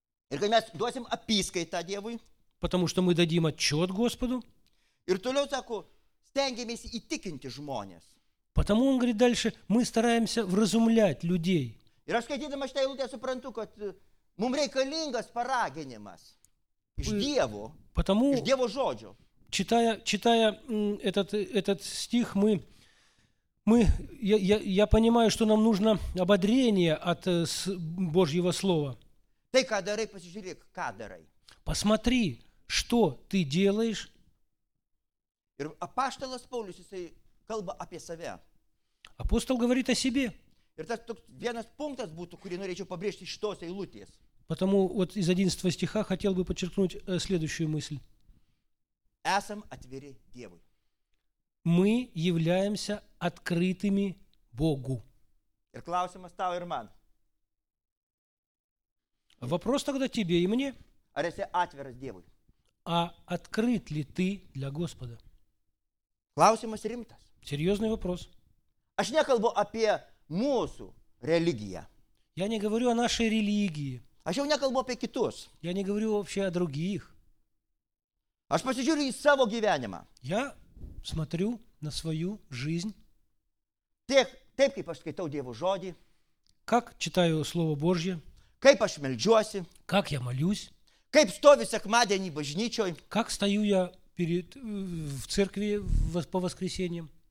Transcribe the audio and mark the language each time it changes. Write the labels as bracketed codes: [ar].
[lt] Ir kad mes duosim apiskaitą Dievui. [ru] Потому что мы дадим отчет Господу. [lt] Ir toliau sako, stengiamės įtikinti žmonės. [ru] Потому, он говорит дальше, мы стараемся вразумлять людей. [lt] Ir aš skaitydama šitą eilutę suprantu, kad mums reikalingas paraginimas iš Dievo, [ru] потому, [lt] iš Dievo žodžio. [ru] Читая этот стих, я понимаю, что нам нужно ободрение от Божьего Слова. [lt] Tai ką darai, pasižiūrėk, ką darai. [ru] Посмотри, что ты делаешь. [lt] Ir apaštalas Paulius, jisai kalba apie save. [ru] Apostol говорит о себе. [lt] Ir tas toks vienas punktas būtų, kurį norėčiau pabrėžti iš tos eilutės. [ru] Потому вот из 11 стиха хотел бы подчеркнуть следующую мысль. [lt] Esam atviri Dievui. [ru] Мы являемся открытыми Богу. [lt] Ir klausimas tau ir man. [ru] Вопрос тогда тебе и мне. [lt] Ar esi atviras Dievui? [ru] А открыт ли ты для Господа? [lt] Klausimas rimtas. [ru] Серьезный вопрос. [lt] Aš nekalbu apie mūsų religiją. [ru] Я не говорю о нашей религии. [lt] Aš jau nekalbu apie kitus. [ru] Я не говорю вообще о других. [lt] Aš pasižiūriu į savo gyvenimą. [ru] Я смотрю на свою жизнь. [lt] Taip, kaip aš skaitau Dievo žodį. [ru] Как читаю Слово Божье. [lt] Kaip aš meldžiuosi? [ru] Как я молюсь? [lt] Kaip stovi sekmadienį bažnyčioj? [ru] Как стою я в церкви по воскресеньям?